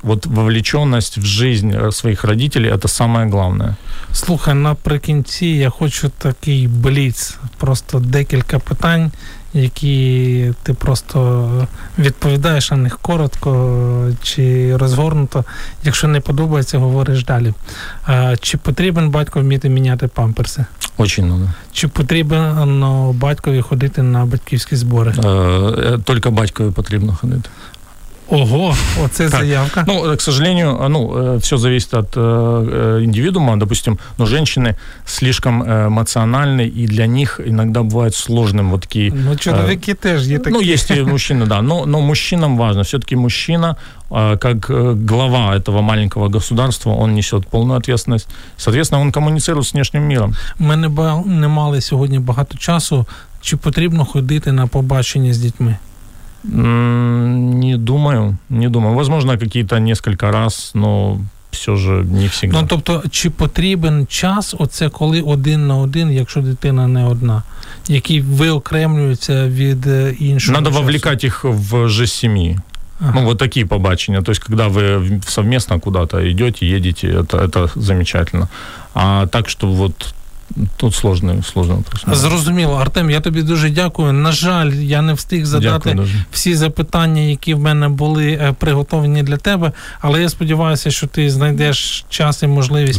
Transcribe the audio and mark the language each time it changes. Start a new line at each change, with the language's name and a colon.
Russian: Вот вовлеченность в жизнь своих родителей – это самое главное.
Ukrainian: Слухай, наприкінці я хочу такий бліц, просто декілька питань, які ти просто відповідаєш на них коротко чи розгорнуто. Якщо не подобається, говориш далі. Чи потрібен батько вміти міняти памперси? Дуже треба. Чи потрібно батькові ходити на батьківські збори? Тільки батькові потрібно ходити. Ого, оце заявка.
Russian: Ну, к сожалению, ну, все зависит от индивидуума, допустим, но женщины слишком эмоциональны, и для них иногда бывает сложным вот такие...
Ukrainian: Ну, чоловіки теж є такі.
Russian: Ну, есть и мужчины, да, но мужчинам важно. Все-таки мужчина, как глава этого маленького государства, он несет полную ответственность. Соответственно, он коммуницирует с внешним миром.
Ukrainian: Мы не мали сьогодні багато часу. Чи потрібно ходити на побачення з дітьми?
Russian: Не думаю. Возможно, какие-то несколько раз, но все же не всегда.
Ukrainian: Ну, тобто, чи потрібен час, оце коли один на один, якщо дитина не одна, який виокремлюється від іншого?
Russian: Надо вовлекать
Ukrainian: їх в життя сім'ї.
Russian: Ага. Ну, вот такие побачення. То есть, когда вы совместно куда-то идете, едете, это замечательно. А так, чтобы вот тут сложно.
Ukrainian: Зрозуміло. Артем, я тобі дуже дякую. На жаль, я не встиг задати всі запитання, які в мене були приготовлені для тебе, але я сподіваюся, що ти знайдеш час і можливість